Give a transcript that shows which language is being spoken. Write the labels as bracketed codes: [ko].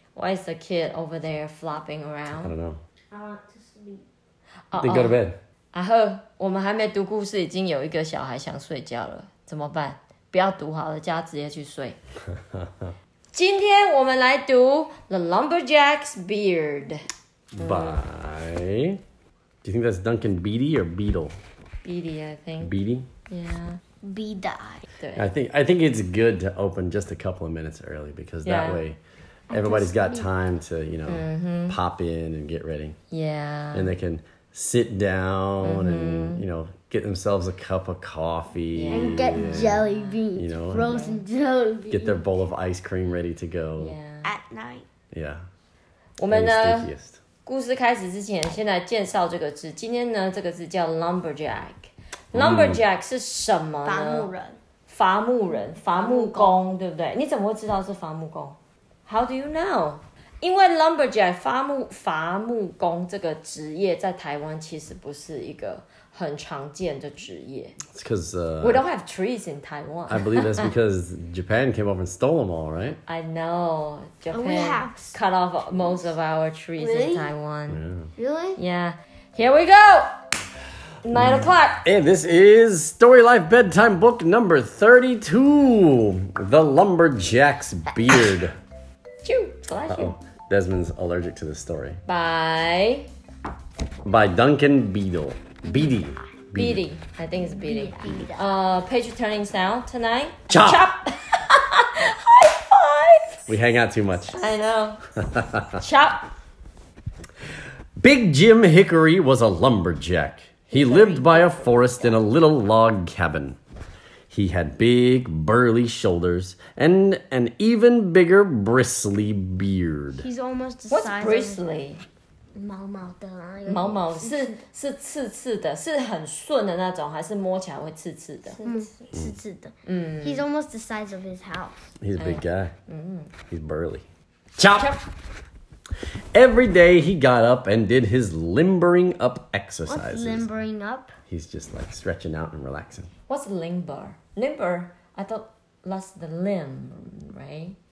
[en] Why is the kid over there flopping around? I don't know. I want to sleep. Then go to bed. [zh] 阿赫，我们还没读故事，已经有一个小孩想睡觉了，怎么办？不要读好了，叫他直接去睡。今天我们来读《The Lumberjack's Beard》。 [en] By, do you think that's Duncan Beady or Beadle? Beady, I think. Beady. Yeah. Beady. I think it's good to open just a couple of minutes early because that way everybody's got time to, you know, pop in and get ready. Yeah. And they can sit down and, you know, get themselves a cup of coffee. Yeah. And get jelly beans, you know, frozen jelly beans. Get their bowl of ice cream ready to go. Yeah. At night. Yeah. And the stinkiest. [zh] 故事开始之前，先来介绍这个字。今天呢，这个字叫 lumberjack。 lumberjack 是什么呢？伐木人。伐木人，伐木工，对不对？你怎么会知道是伐木工？ [en] How do you know？ [zh] 因为 lumberjack 伐木工这个职业在台湾其实不是一个很常见的职业。 [en] It's because we don't have trees in Taiwan. I believe that's because Japan came over and stole them all, right? I know. Japan cut off most of our trees really? In Taiwan. Yeah. Really? Yeah. Here we go. 9 o'clock. And this is Story Life Bedtime Book number 32, The Lumberjack's Beard. Phew, bless you. Desmond's allergic to this story. By Duncan Beadle. Beady. Beady. I think it's Beady. Page turning sound tonight. Chop! High five! We hang out too much. I know. Chop! Big Jim Hickory was a lumberjack. He lived by a forest in a little log cabin. He had big, burly shoulders and an even bigger bristly beard. He's almost the What's size bristly? Of... [zh] 毛毛的，是刺刺的，是很顺的那种，还是摸起来会刺刺的？刺刺的。 [en] He's almost the size of his house. He's a big guy. He's burly. Chop! Every day he got up and did his limbering up exercises. What's limbering up? He's just like stretching out and relaxing. What's limber? Limber, I thought that's the limb, right?